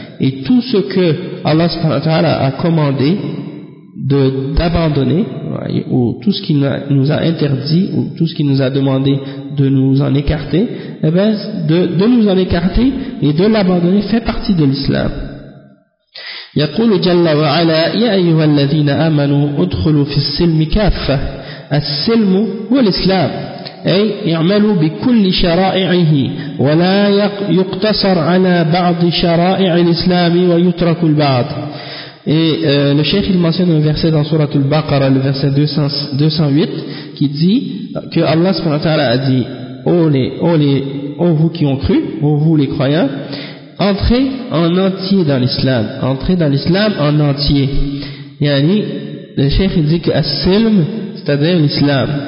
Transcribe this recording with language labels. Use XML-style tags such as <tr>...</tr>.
<fr>Et tout ce que Allah subhanahu wa ta'ala a commandé d'abandonner, ou tout ce qu'il nous a interdit, ou tout ce qu'il nous a demandé de nous en écarter, de nous en écarter et de l'abandonner fait partie de l'islam.</fr> <ar>يقول جل وعلا يا أيها الذين آمنوا ادخلوا في السلم كافة السلم هو الإسلام أي اعملوا بكل شرائعه ولا يقتصر على بعض شرائع الإسلام ويترك البعض.</ar> <fr>Le cheikh il mentionne un verset dans sourate al-Baqarah, le verset 208, qui dit que Allah subhanahu wa ta'ala a dit oh vous qui ont cru, oh vous les croyants, entrez en entier dans l'islam. Entrez dans l'islam en entier. Yani, le cheikh dit que as-silm, c'est-à-dire l'islam.</fr>